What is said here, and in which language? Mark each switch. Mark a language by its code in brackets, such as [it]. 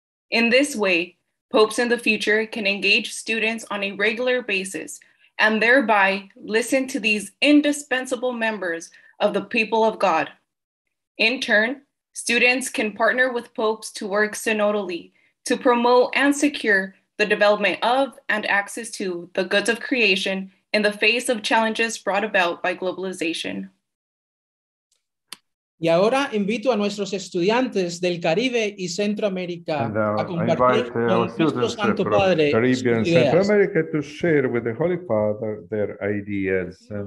[en] In this way, popes in the future can engage students on a regular basis and thereby listen to these indispensable members of the people of God. In turn, students can partner with popes to work synodally to promote and secure the development of and access to the goods of creation in the face of challenges brought about by globalization. [es] Y ahora invito a nuestros estudiantes del Caribe y Centroamérica a compartir con nuestro Santo Padre sus ideas. [en] Caribbean Central America to share with the Holy Father their ideas.